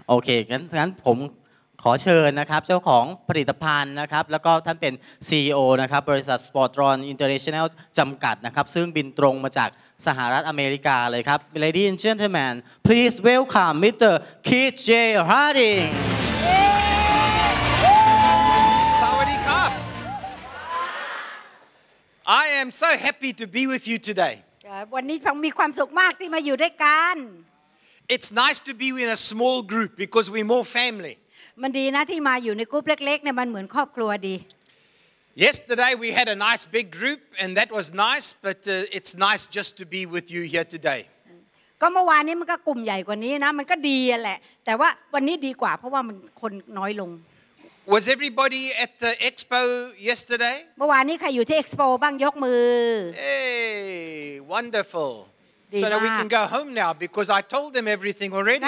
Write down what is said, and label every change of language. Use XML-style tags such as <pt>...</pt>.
<th>โอเคงั้นผมขอเชิญนะครับเจ้าของผลิตภัณฑ์นะครับแล้วก็ท่านเป็น CEO นะครับบริษัทสปอร์ตรอนอินเตอร์เนชั่นแนลจำกัดนะครับซึ่งบินตรงมาจากสหรัฐอเมริกาเลยครับ</th> <en>Ladies and Gentlemen please welcome Mr. Keith J. Harding</en> <th>สวัสดีครับ</th> <en>I am so happy to be with you today</en> <th>วันนี้ผมมีความสุขมากที่มาอยู่ด้วยกัน</th> <en>It's nice to be in a small group because we're more family</en> <th>มันดีนะที่มาอยู่ในกลุ่มเล็กๆเนี่ยมันเหมือนครอบครัวดี</th> <en>Yesterday we had a nice big group and that was nice but it's nice just to be with you here today</en> <th>ก็เมื่อวานนี้มันก็กลุ่มใหญ่กว่านี้นะมันก็ดีแหละแต่ว่าวันนี้ดีกว่าเพราะว่ามันคนน้อยลง</th> <en>Was everybody at the expo yesterday</en> <th>เมื่อวานนี้ใครอยู่ที่ expo บ้างยกมือ</th> <en>Hey wonderfulSo now we can go home now because I told them everything already.</en>